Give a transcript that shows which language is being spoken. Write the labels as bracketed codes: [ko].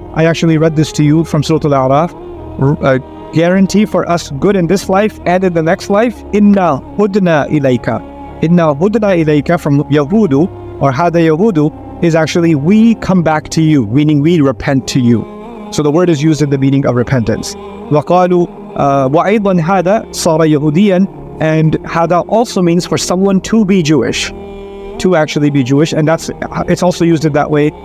[en] I actually read this to you from Surah Al-A'raf. Guarantee for us good in this life and in the next life. Inna hudna ilayka. Inna hudna ilayka from Yahudu or hada Yahudu is actually we come back to you, meaning we repent to you. So the word is used in the meaning of repentance. [ar] Waqalu وَأَيْضًا هَذَا صَارَ يَهُودِيًا. [en] And هَذَا also means for someone to be Jewish, to actually be Jewish. And that's, it's also used in that way.